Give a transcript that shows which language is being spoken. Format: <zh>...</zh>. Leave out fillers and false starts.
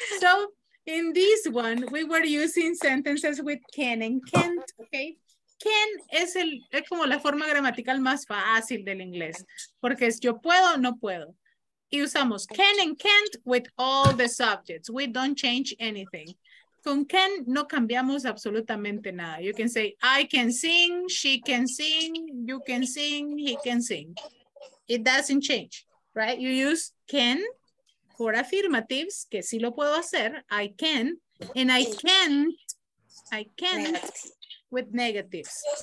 <en>So in this one, we were using sentences with can and can't, okay?</en> <es>Can es como la forma gramatical más fácil del inglés, porque es yo puedo o no puedo. Y usamos</es> <en>can and can't with all the subjects. We don't change anything.</en> <es>Con can no cambiamos absolutamente nada.</es> <en>You can say, I can sing, she can sing, you can sing, he can sing. It doesn't change, right? You use can for affirmatives,</en> <es>que sí lo puedo hacer,</es> <en>I can, and I can't with negatives.</en>